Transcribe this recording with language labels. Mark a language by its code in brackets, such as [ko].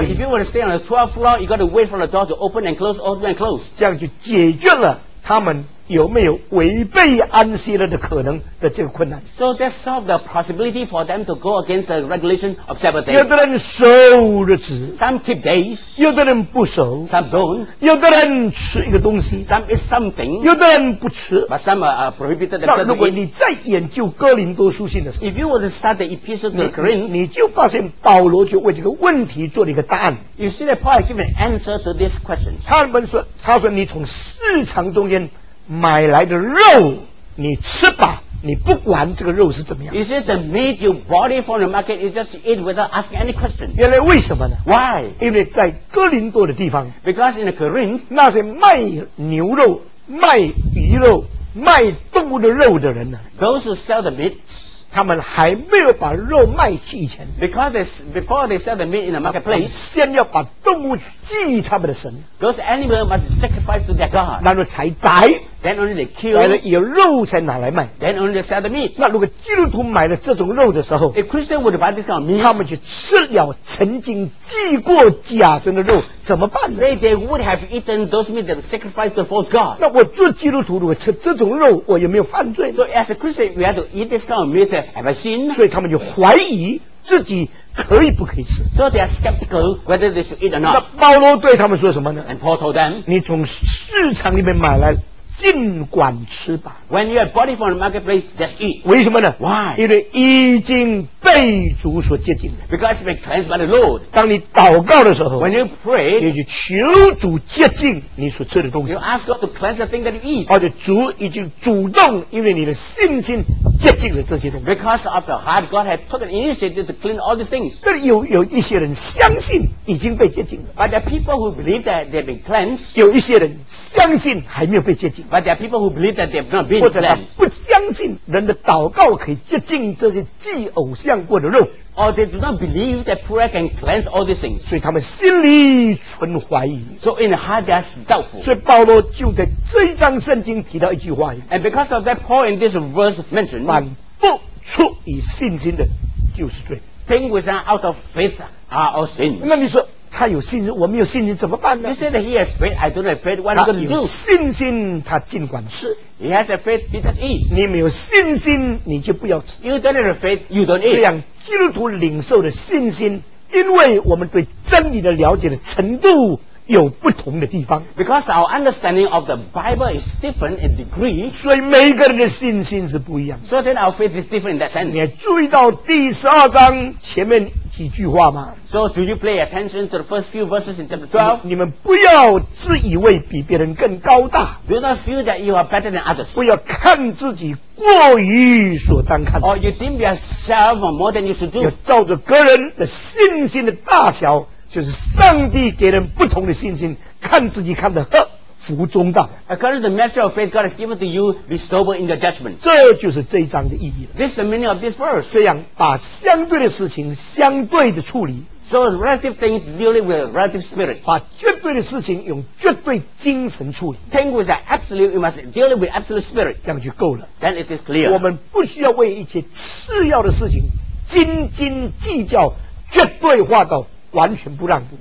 [en] So if you want to stay on the 12th floor, you got to wait for the door to open and close, open and close. [zh] 这样就解决了他们有没有违背安息日的可能的这个困难。 [en] So that solved the possibility for them to go against the regulation of Sabbath day. [zh] 有的人守日子。 [en] Some keep days. [zh] 有的人不守。 [en] Some don't. [zh] 有的人吃一个东西。 [en] Some eat something. [zh] 有的人不吃。 [en] But some are prohibited. [zh] 那如果你再研究哥林多书信的时候。 [en] If you were to start the epistle to Corinth. [zh] 你就发现保罗就为这个问题做了一个答案。 [en] You see that Paul gave an answer to this question. [zh] 他说你从市场中间买来的肉你吃吧，你不管这个肉是怎么样。 [en] Is it the meat you bought it from the market? You just eat without asking any question. [zh] 原来为什么呢 [en] ？Why? [zh] 因为在哥林多的地方。 [en] Because in Corinth, [zh] 那些卖牛肉、卖鱼肉、卖动物的肉的人呢 [en] ？Those who sell the meat, [zh] 他们还没有把肉卖去以前。 [en] Because before they sell the meat in the marketplace, [zh] 先要把动物祭他们的神。 [en] Those animals must sacrifice to their god. [zh] 然后才宰。 [en] Then only they kill. [zh] 有肉才拿来卖。 [en] Then only they sell the meat. [zh] 那如果基督徒买了这种肉的时候 [en] ，If Christian would buy this kind of meat, [zh] 他们就吃了曾经祭过假神的肉，怎么办呢 [en] ？Say they would have eaten those meat that sacrificed to false god. [zh] 那我做基督徒如果吃这种肉，我有没有犯罪 [en] ？So as a Christian, we have to eat this kind of meat. Have I sinned? [zh] 所以他们就怀疑自己。可以不可以吃 [en] ？So they are skeptical whether they should eat or not. [zh] 那保罗对他们说什么呢 [en] ？And Paul told them, [zh] 你从市场里面买来，尽管吃吧。 [en] When you have bought it from the marketplace, just eat. [zh] 为什么呢 [en] ？Why? [zh] 因为已经被主所洁净了。 [en] Because it's been cleansed by the Lord. [zh] 当你祷告的时候 [en] ，When you pray, [zh] 你就求主洁净你所吃的东西。 [en] You ask God to cleanse the thing that you eat. [zh] 而且主已经主动，因为你的信心。接近了这些东西 [en] Because of the heart God had took an initiative to clean all these things [zh] 但是 有一些人相信已经被接近了 [en] But there are people who believe that they've been cleansed [zh] 有一些人相信还没有被接近 [en] But there are people who believe that they've not been cleansed [zh] 或者他不相信人的祷告可以接近这些祭偶像过的肉 [en] Or they do not believe that prayer can cleanse all these things [zh] 所以他们心里存怀疑 [en] So in the heart they are doubtful [zh] 所以保罗就在这一章圣经提到一句话 [en] And because of that Paul in this verse mentioned [zh] 凡不出于信心的，就是罪。 [en] Things which are out of faith are all sins. [zh] 那你说他有信心，我没有信心怎么办呢 [en] ？You said that he has faith, I don't have faith. What are you going to do? [zh] 他有信心，他尽管吃。 [en] He has a faith, he just eat. [zh] 你没有信心，你就不要吃。 [en] You don't have faith, you don't eat. [zh] 这样基督徒领受的信心，因为我们对真理的了解的程度。有不同的地方 [en] Because our understanding of the Bible is different in degree [zh] 所以每个人的信心是不一样 [en] So then our faith is different in that sense [zh] 你还注意到第十二章前面几句话吗 [en] So do you pay attention to the first few verses in chapter 12 [zh] 你们不要自以为比别人更高大 [en] Do not feel that you are better than others [zh] 不要看自己过于所当看 [en] Or you think yourself more than you should do [zh] 要照着个人的信心的大小就是上帝给人不同的信心看自己看得合服中道 [en] According to the measure of faith God has given to you be sober in your judgment [zh] 这就是这一章的意义了 [en] This is the meaning of this verse [zh] 这样把相对的事情相对的处理 [en] So relative things dealing with relative spirit [zh] 把绝对的事情用绝对精神处理 [en] Things which are absolute you must deal with absolute spirit [zh] 这样就够了 [en] Then it is clear [zh] 我们不需要为一些次要的事情斤斤计较绝对化到完全不让步